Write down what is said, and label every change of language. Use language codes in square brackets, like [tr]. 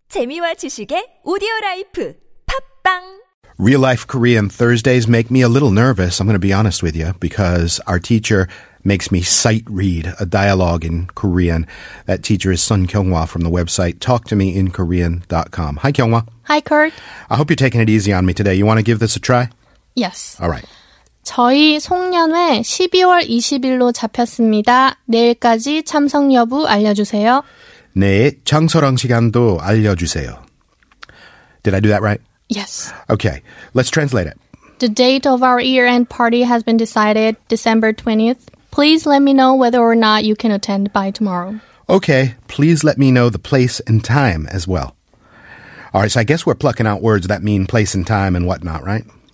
[ko] 재미와 지식의 오디오라이프 팝빵. [en] Real life Korean Thursdays make me a little nervous, I'm going to be honest with you, because our teacher makes me sight read a dialogue in Korean. That teacher is Sun Kyung-hwa from the website talktomeinkorean.com. Hi, Kyung-hwa. Hi, Kurt. I hope you're taking it easy on me today. You want to give this a try? Yes. All right. [ko] 저희 송년회 12월 20일로 잡혔습니다. 내일까지 참석 여부 알려주세요. 네, 장소랑 시간도 알려주세요. [en] Did I do that right? Yes. Okay, let's translate it. The date of our year-end party has been decided, December 20th. Please let me know whether or not you can attend by tomorrow. Okay, please let me know the place and time as well. All right, so I guess we're plucking out words that mean place and time and whatnot, right?